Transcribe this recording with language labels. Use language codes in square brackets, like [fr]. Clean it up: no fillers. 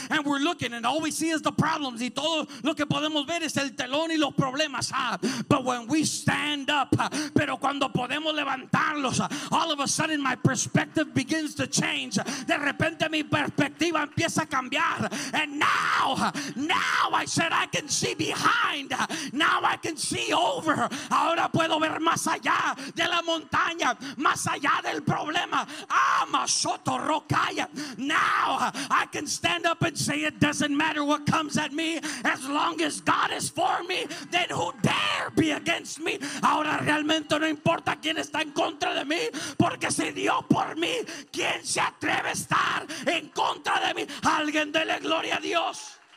[en] And we're looking, and all we see is the problems. [es] Y todo lo que podemos ver es el telón y los problemas. [en] But when we stand up, [es] pero cuando podemos levantarlos, [en] all of a sudden my perspective begins to change. [es] De repente mi perspectiva empieza a cambiar. [en] And now I said I can see behind. Now I can see over. [es] Ahora puedo ver más allá de la montaña, más allá del problema. Masoto Rokaya. [en] Now I can stand up and say it doesn't matter what comes at me. As long as God is for me, then who dare be against me? [es] Ahora realmente no importa quién está en contra de mí, porque si Dios por mí, ¿quién se atreve a estar en contra de mí? Alguien dele gloria a Dios.